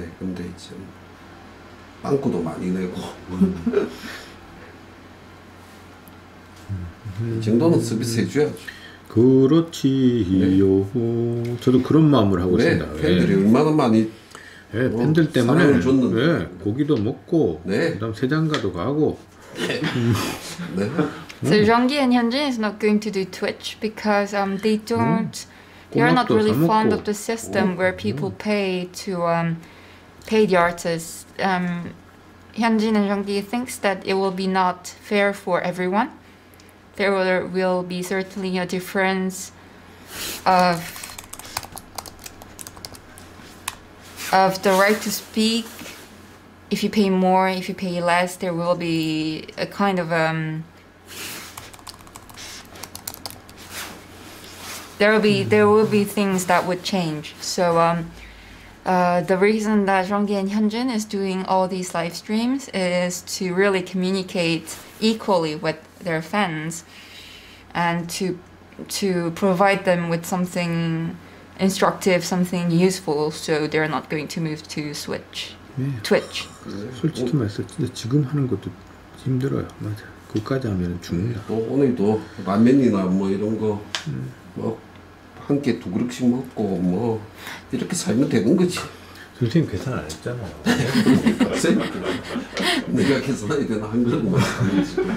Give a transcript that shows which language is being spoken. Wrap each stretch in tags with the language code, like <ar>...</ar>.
<ko>근데 이제 빵꾸도 많이 내고 이 정도는 서비스 해줘야죠. 그렇지요. 네. 저도 그런 마음을 하고 네, 있습니다. 팬들이 네. 얼마나 많이 예, 네, 팬들 때문에 줬는데. 네, 고기도 먹고 네. 그다음 세장가도 가고. 네. 네.</ko> <en>So Jeongi and Hyunjin is not going to do Twitch because they don't they are not really fond of the system where people pay to pay the artists. Hyunjin and Jeongi thinks that it will be not fair for everyone. There will be certainly a difference of the right to speak. If you pay more, if you pay less, there will be a kind of there will be things that would change. So the reason that Jeongi and Hyunjin is doing all these live streams is to really communicate equally with their fans and to provide them with something instructive, something useful, so they're not going to move to Switch.</en> <ko>네. Twitch. 솔직히 말씀드리면 지금 하는 것도 힘들어요. 맞아. 그까지 하면 죽는다. 또 오늘도 라면이나 뭐 이런 거 뭐 한 개 두 그릇씩 먹고 뭐 이렇게 살면 되는 거지. 선생님 계산 안 했잖아요. 선생님 내가 계산해야 되나 한 그릇 먹어야지.</ko>